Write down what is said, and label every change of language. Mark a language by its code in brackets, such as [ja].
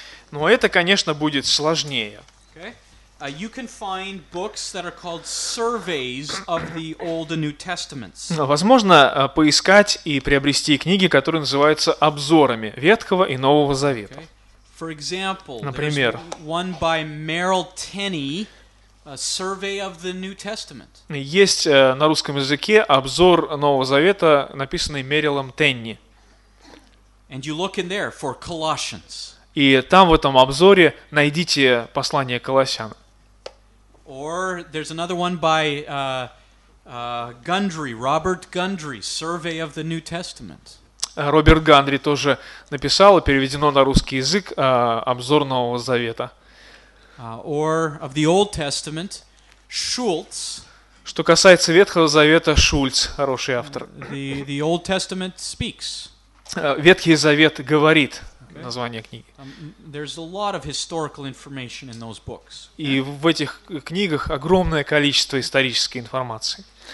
[ru] Но это, конечно, будет сложнее. [en] Okay. You can find books that are called surveys of the Old and New Testaments. [ru] Возможно, поискать и приобрести книги, которые называются обзорами Ветхого и Нового Завета. [en] Okay. For example, [ru] например, [en] one by Merrill Tenney, a survey of the New Testament. [ru] Есть на русском языке обзор Нового Завета, написанный Мерилом Тенни. [en] And you look in there for Colossians. [ru] И там в этом обзоре найдите послание Колоссянам. [en] Or there's another one by Gundry, Robert Gundry, Survey of the New Testament. [ru] Роберт Гандри тоже написал и переведено на русский язык обзор Нового Завета. [en] Or of the Old Testament, Schultz. [ru] Что касается Ветхого Завета, Шульц, хороший автор. [en] The Old Testament speaks. [ru] Ветхий Завет говорит. Название книги. [en] There's a lot of historical information in those books. [ru] И в этих книгах огромное количество исторической информации.